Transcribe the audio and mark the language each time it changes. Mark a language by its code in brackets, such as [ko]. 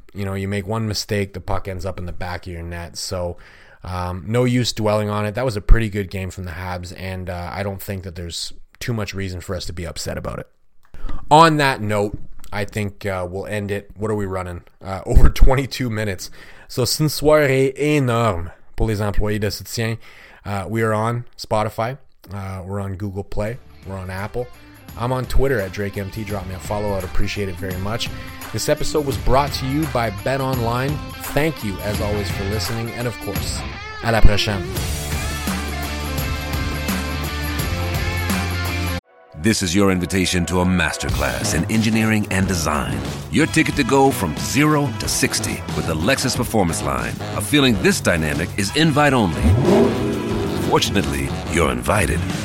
[en] You know, you make one mistake, the puck ends up in the back of your net. So, no use dwelling on it. That was a pretty good game from the Habs, and I don't think that there's too much reason for us to be upset about it. On that note, I think we'll end it. What are we running? Over 22 minutes. [fr] So, c'est une soirée énorme pour les employés de soutien. [en] We are on Spotify. We're on Google Play. We're on Apple. I'm on Twitter at DrakeMT. Drop me a follow. I'd appreciate it very much. This episode was brought to you by Bet Online. Thank you, as always, for listening. And of course, [fr] à la prochaine. [en] This is your invitation to a masterclass in engineering and design. Your ticket to go from 0 to 60 with the Lexus Performance Line. A feeling this dynamic is invite only. Fortunately, you're invited.